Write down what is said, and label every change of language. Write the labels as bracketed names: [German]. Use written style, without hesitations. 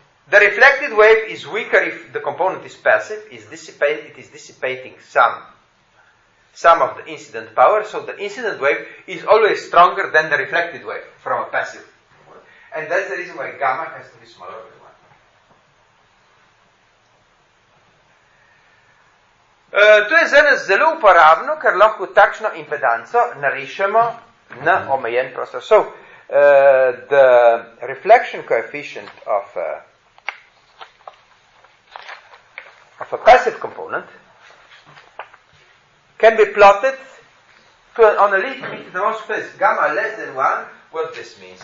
[English] The reflected wave is weaker if the component is passive, it is dissipating some of the incident power, so the incident wave is always stronger than the reflected wave from a passive. And that's the reason why gamma has to be smaller than 1. [Slovenian] To je za nas zelo uporabno, ker lahko takšno impedanco narišemo na omejen prostor. [English] So, the reflection coefficient of a passive component can be plotted to on a leaf in the whole space. Gamma less than 1, what this means?